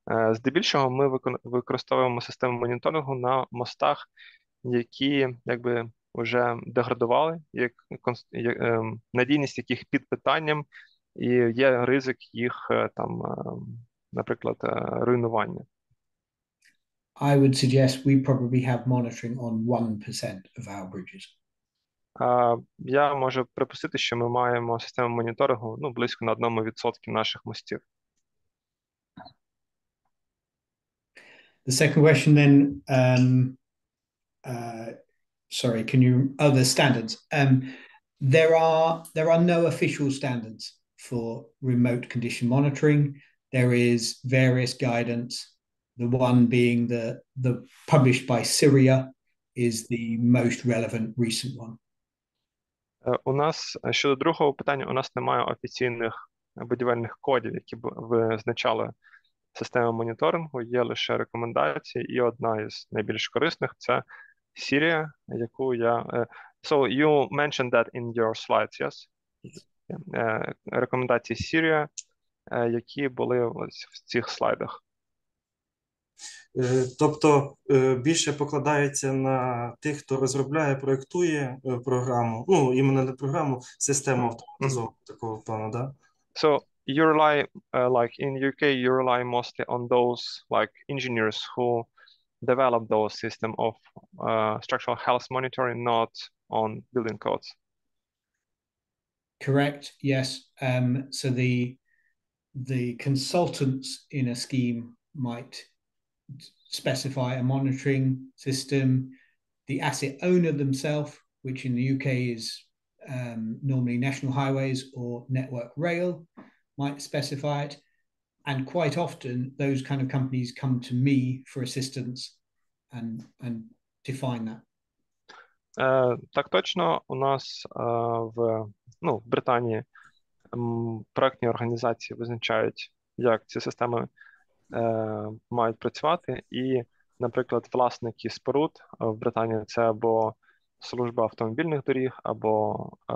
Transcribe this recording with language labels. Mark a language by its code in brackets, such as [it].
[uk] Здебільшого ми використовуємо систему моніторингу на мостах, які якби вже деградували, як надійність яких під питанням, і є ризик їх, там, наприклад, руйнування. [en] I would suggest we probably have monitoring on 1% of our bridges. [uk] Я можу припустити, що ми маємо систему моніторингу, ну, близько на 1% наших мостів. [en] The second question then, sorry, can you, oh, the standards. There are no official standards for remote condition monitoring. There is various guidance. The one being the published by Syria is the most relevant recent one. [uk] У нас щодо другого питання, у нас немає офіційних будівельних кодів, які б визначали систему моніторингу. Є лише рекомендації, і одна із найбільш корисних це Сірія, яку я [en] so you mentioned that in your slides, yes? [uk] Рекомендації Сірія, які були ось в цих слайдах. Тобто більше покладається на тих, хто розробляє, проєктує програму, ну, іменно не програму, систему автоматизованого такого плану, да? [en] So, you rely, like, in UK, you rely mostly on those, like, engineers who develop those system of structural health monitoring, not on building codes. Correct, yes. So the consultants in a scheme might specify a monitoring system. The asset owner themselves, which in the UK is normally National Highways or Network Rail, might specify it. And quite often, those kind of companies come to me for assistance and define that. [uk] Так точно, у нас в, ну, в Британії проектні організації визначають, як ці системи мають працювати, і, наприклад, власники споруд в Британії це або служба автомобільних доріг, або